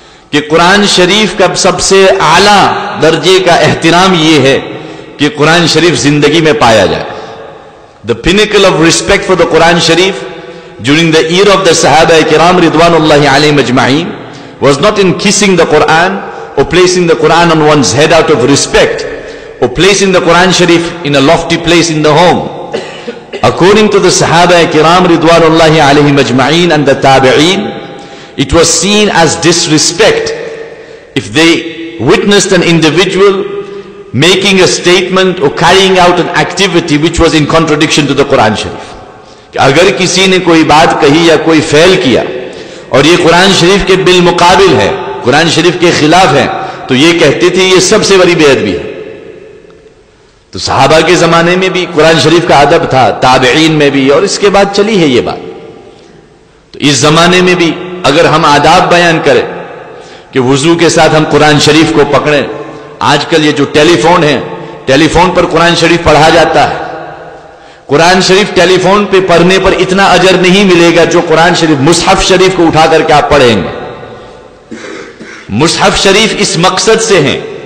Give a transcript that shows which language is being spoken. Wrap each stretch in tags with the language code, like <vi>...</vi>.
<ur>کہ قرآن شریف کا سب سے اعلیٰ درجے کا احترام یہ ہے کہ قرآن شریف زندگی میں پایا جائے۔</ur> <en>The pinnacle of respect for the Quran Sharif during the era of the Sahaba Ikram Ridwanullahi Alayhim Ajma'in was not in kissing the Quran or placing the Quran on one's head out of respect or placing the Quran Sharif in a lofty place in the home. According to the Sahaba Ikram Ridwanullahi Alayhim Ajma'in and the Tabi'in, it was seen as disrespect if they witnessed an individual making a statement or carrying out an activity which was in contradiction to the Quran Sharif.</en> <ur>اگر کسی نے کوئی بات کہی یا کوئی فعل کیا اور یہ قرآن شریف کے بالمقابل ہے، قرآن شریف کے خلاف ہے، تو یہ کہتے تھے یہ سب سے بڑی بے ادبی ہے۔ تو صحابہ کے زمانے میں بھی قرآن شریف کا ادب تھا، تابعین میں بھی، اور اس کے بعد چلی ہے یہ بات۔ تو اس زمانے میں بھی اگر ہم آداب بیان کریں کہ وضو کے ساتھ ہم قرآن شریف کو پکڑیں، آج کل یہ جو ٹیلی فون ہے، ٹیلی فون پر قرآن شریف پڑھا جاتا ہے، قرآن شریف ٹیلی فون پہ پڑھنے پر اتنا اجر نہیں ملے گا جو قرآن شریف مصحف شریف کو اٹھا کر کے آپ پڑھیں گے۔ مصحف شریف اس مقصد سے ہیں</ur>